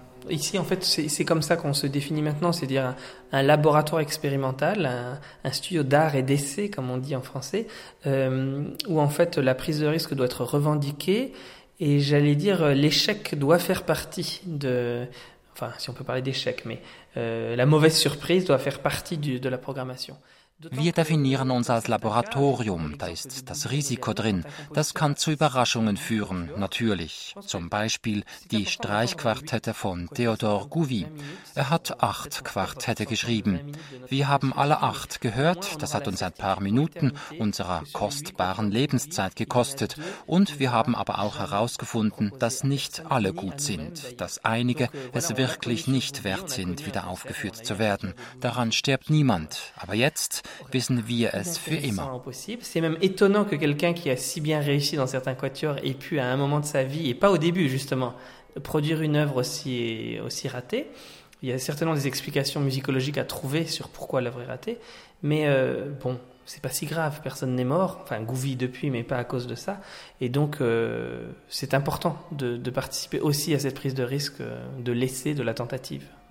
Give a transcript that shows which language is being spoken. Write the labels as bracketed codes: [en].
[fr] Ici, en fait, c'est comme ça qu'on se définit maintenant, c'est-à-dire un laboratoire expérimental, un studio d'art et d'essai, comme on dit en français, où en fait la prise de risque doit être revendiquée, et j'allais dire l'échec doit faire partie de, enfin, si on peut parler d'échec, mais la mauvaise surprise doit faire partie de la programmation. [de] Wir definieren uns als Laboratorium, da ist das Risiko drin. Das kann zu Überraschungen führen, natürlich. Zum Beispiel die Streichquartette von Theodor Gouvi. Er hat 8 Quartette geschrieben. Wir haben alle 8 gehört, das hat uns ein paar Minuten unserer kostbaren Lebenszeit gekostet. Und wir haben aber auch herausgefunden, dass nicht alle gut sind, dass einige es wirklich nicht wert sind, wieder aufgeführt zu werden. Daran stirbt niemand. Aber jetzt wissen wir es für immer. [fr] C'est même étonnant que quelqu'un qui a si bien réussi dans certains quatuors ait pu à un moment de sa vie, et pas au début justement, produire une œuvre aussi ratée. Il y a certainement des explications musicologiques à trouver sur pourquoi l'œuvre est ratée, mais bon, c'est pas si grave, personne n'est mort, enfin Gouvi depuis, mais pas à cause de ça, et donc c'est important de participer aussi à cette prise de risque, de l'essai, de la tentative.